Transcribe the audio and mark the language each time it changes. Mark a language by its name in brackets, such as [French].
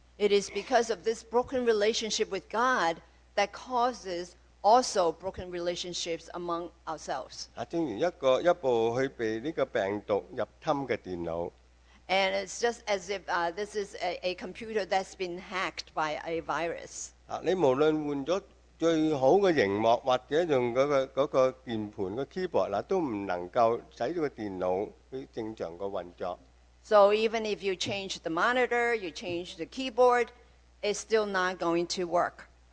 [English] it is because of this broken relationship with God that causes also broken relationships among ourselves. [Chinese] 正如一部被這個病毒入侵的電腦, [English] and it's just as if this is a computer that's been hacked by a virus. [Chinese] 你無論換了最好的螢幕,或者用那個鍵盤的keyboard,都不能夠使這個電腦正常的運作, [English] so even if you change the monitor, you change the keyboard, it's still not going to work.